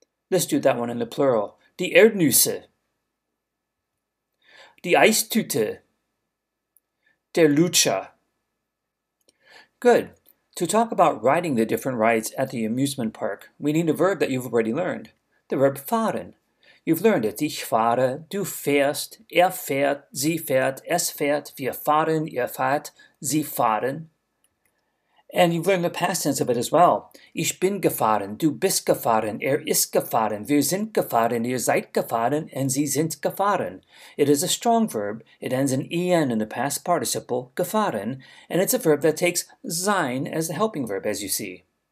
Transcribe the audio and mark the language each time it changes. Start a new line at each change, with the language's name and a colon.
English: Let's do that one in the plural.
German: Die Erdnüsse. Die Eistüte. Der Lutscher. Good.
English: To talk about riding the different rides at the amusement park, we need a verb that you've already learned. The verb fahren. You've learned it.
German: Ich fahre, du fährst, fährt, sie fährt, es fährt, wir fahren, fahrt, sie fahren.
English: And you've learned the past tense of it as well.
German: Ich bin gefahren, du bist gefahren, ist gefahren, wir sind gefahren, seid gefahren, and sie sind gefahren.
English: It is a strong verb. It ends in en in the past participle, gefahren, and it's a verb that takes sein as the helping verb, as you see.